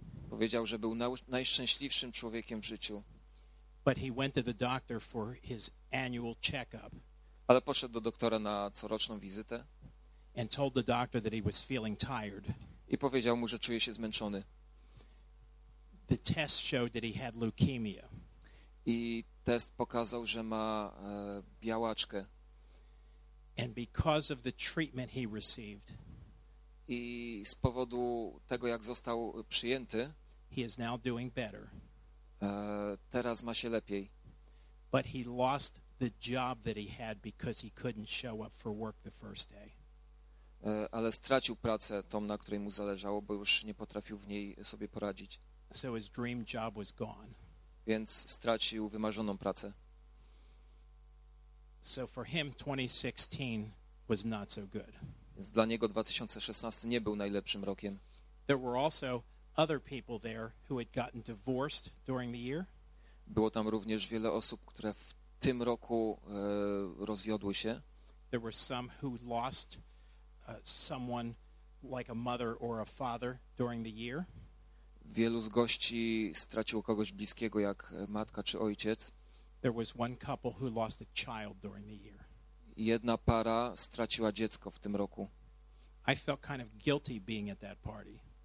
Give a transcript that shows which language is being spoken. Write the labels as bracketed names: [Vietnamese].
[Polish] Powiedział, że był najszczęśliwszym człowiekiem w życiu. [English] But he went to the doctor for his annual checkup. [Polish] Ale poszedł do doktora na coroczną wizytę. [English] And told the doctor that he was feeling tired. [Polish] I powiedział mu, że czuje się zmęczony. [English] The test showed that he had leukemia. [Polish] I test pokazał, że ma białaczkę. [English] And because of the treatment he received, [Polish] i z powodu tego, jak został przyjęty, [English] he is now doing better. [Polish] Teraz ma się lepiej. [English] But he lost the job that he had because he couldn't show up for work the first day. [Polish] Ale stracił pracę tą, na której mu zależało, bo już nie potrafił w niej sobie poradzić. [English] So his dream job was gone. [Polish] Więc stracił wymarzoną pracę. [English] So for him 2016 was not so good. [Polish] Więc dla niego 2016 nie był najlepszym rokiem. [English] There were also other people there who had gotten divorced during the year. [Polish] Było tam również wiele osób, które w tym roku rozwiodły się. [English] There were some who lost someone like a mother or a father during the year. [Polish] Wielu z gości straciło kogoś bliskiego, jak matka czy ojciec. [English] There was one couple who lost a child during the year. [Polish] Jedna para straciła dziecko w tym roku. [English] I felt kind of guilty being at that party.